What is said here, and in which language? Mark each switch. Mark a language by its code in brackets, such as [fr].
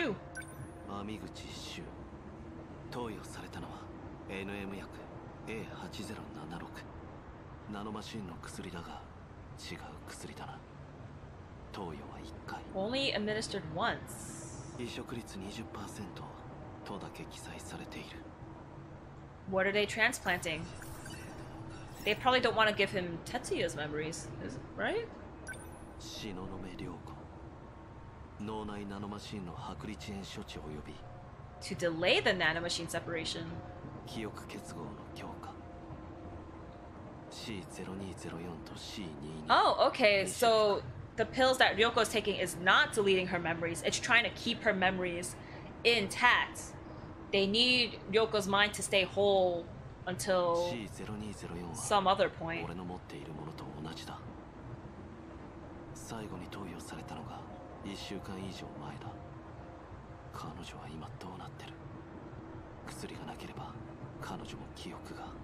[ja] ュー網口シュー投与されたのは NM 薬 A8076 ナノマシンの薬だが違う薬だな。投与は1回 [en] Only administered once。 [ja] 移植率 20% とだけ記載されている。 [en] What are they transplanting? They probably don't want to give him Tetsuya's memories, is it right? [ja] シノノメリョウコ脳内ナノマシンの剥離遅延処置及び [en] To delay the nanomachine separation. [ja] 記憶結合の強化 C0204 と C22 [en] Oh, okay, so the pills that Ryoko is taking is not deleting her memories, it's trying to keep her memories intact. They need Ryoko's mind to stay whole until C0204 some other point. [ja] 俺の持っているものと同じだ。最後に投与されたのが1週間以上前だ。彼女は今どうなってる。薬がなければ彼女も記憶が。